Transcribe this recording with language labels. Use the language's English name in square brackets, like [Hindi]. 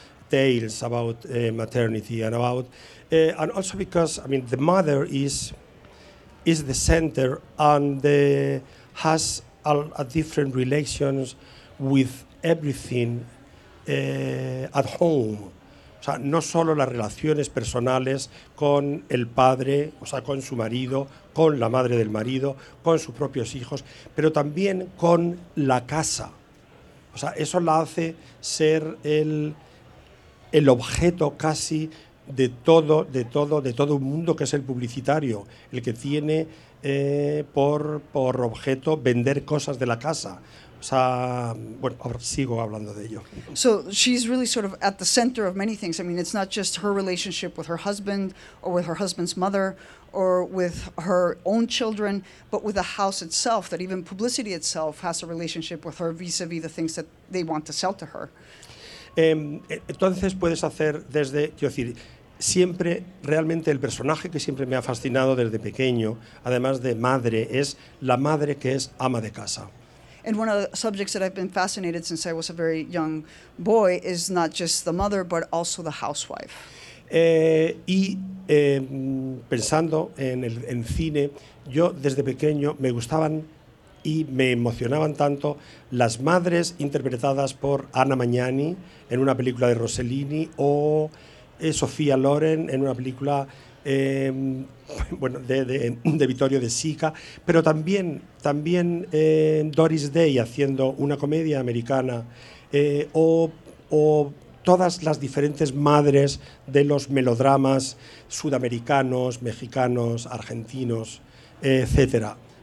[English] tales about maternity and about and also because I mean the mother is the center and has a different relations with everything at home. [Spanish] O sea, no solo las relaciones personales con el padre, o sea, con su marido, con la madre del marido, con sus propios hijos, pero también con la casa. O sea, eso la hace ser el objeto casi de todo un mundo que es el publicitario, el que tiene por objeto vender cosas de la casa. O sea, bueno, sigo hablando de ello. [English] So she's really sort of at the center of many things. I mean, it's not just her relationship with her husband or with her husband's mother or with her own children, but with the house itself, that even publicity itself has a relationship with her vis-a-vis the things that they want to sell to her. [Spanish] Entonces puedes hacer desde, quiero decir, siempre, realmente el personaje que siempre me ha fascinado desde pequeño, además de madre, es la madre que es ama de casa. [English] And one of the subjects that I've been fascinated since I was a very young boy is not just the mother, but also the housewife. [Spanish] Pensando en cine, yo desde pequeño me gustaban y me emocionaban tanto las madres interpretadas por Anna Magnani en una película de Rossellini o Sofía Loren en una película de Vittorio De Sica, pero también Doris Day haciendo una comedia americana o todas las diferentes madres de los melodramas sudamericanos, mexicanos, argentinos, etcétera.